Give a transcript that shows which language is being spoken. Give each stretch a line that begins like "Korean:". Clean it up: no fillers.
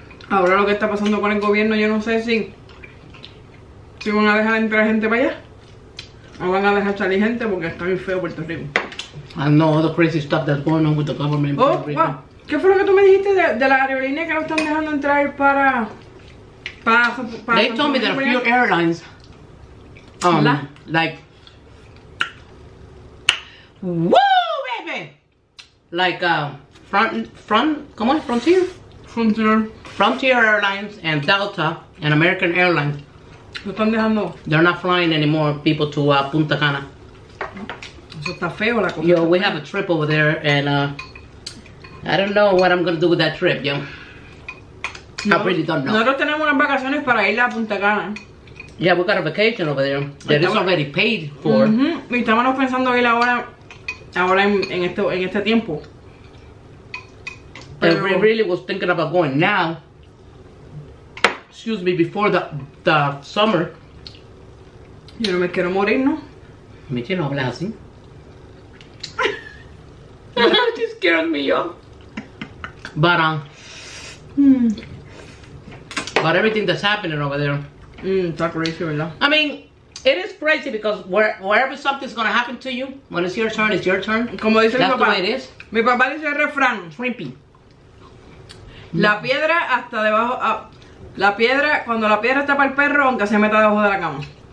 Spanish: Ahora lo que está pasando con el gobierno, yo no sé si van a dejar entrar gente para allá, o van a dejar salir gente porque está muy feo Puerto Rico.
English: I know all the crazy stuff that's going on with the government in Puerto Rico.
Spanish: ¿Qué fue lo que tú me dijiste de la aerolínea que no están dejando entrar para
English: They told me that a few airlines, woo, baby! Like,
Spanish: ¿cómo es?
English: Frontier Airlines and Delta and American Airlines.
Spanish: ¿Lo están dejando?
English: They're not flying anymore people to Punta Cana.
Spanish: Eso está feo la cosa.
English: Yo, we have a trip over there and, I don't know what I'm gonna do with that trip, yo. No, I really don't know.
Spanish: Nosotros tenemos unas vacaciones para ir a Punta Cana.
English: Yeah, we got a vacation over there that is already paid for.
Spanish: Y estábamos pensando ir ahora en este tiempo.
English: But we really was thinking about going now. Excuse me, before the summer.
Spanish: Yo no me quiero morir, ¿no? Michi, no hablas así.
English: She scares me, yo. But but everything that's happening over there. Talk crazy,
Spanish: ¿verdad?
English: I mean, it is crazy because wherever something's gonna happen to you, when it's your turn, it's your turn.
Spanish: Como dice
English: that's
Spanish: mi papá,
English: the way it is.
Spanish: Mi papá dice el refrán.
English: Shrimpy.
Spanish: La piedra hasta debajo. La piedra, cuando la piedra está para el perro, aunque se meta debajo de la cama.